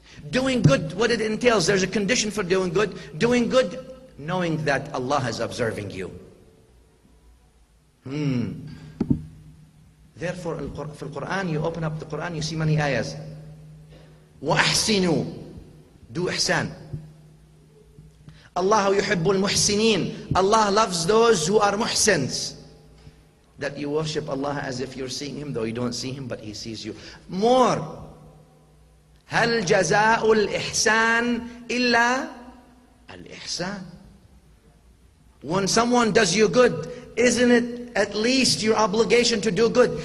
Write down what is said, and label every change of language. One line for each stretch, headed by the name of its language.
English: Doing good, what it entails, there's a condition for doing good. Doing good, knowing that Allah is observing you. Therefore, in the Quran, you open up the Quran, you see many ayahs.
Arabic: وَأَحْسِنُوا.
English: Do ihsan.
Arabic: Allah يُحِبُّ الْمُحْسِنِينَ.
English: Allah loves those who are muhsins. That you worship Allah as if you're seeing Him, though you don't see Him, but He sees you. More.
Arabic: هَلْ جَزَاءُ الْإِحْسَانِ إِلَّا الْإِحْسَانِ.
English: When someone does you good, isn't it at least your obligation to do good?